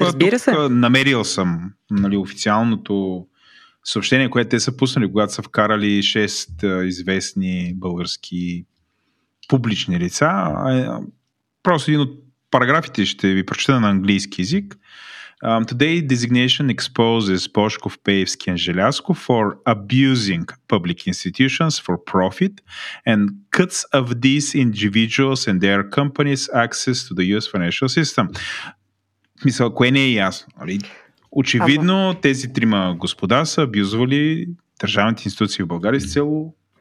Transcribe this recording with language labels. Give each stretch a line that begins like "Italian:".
Bulgarian: Разбира се. Намерил съм официалното съобщение, което те са пуснали, когато са вкарали 6 известни български публични лица. Просто един от параграфите ще ви прочета на английски език.
English: Today designation exposes Божков, Пеевски и Желязко for abusing public institutions for profit and cuts of these individuals and their companies access to the US financial system.
Bulgarian: Мисля, кое не е ясно. Очевидно, тези трима господа са абюзвали държавните институции в България с цяло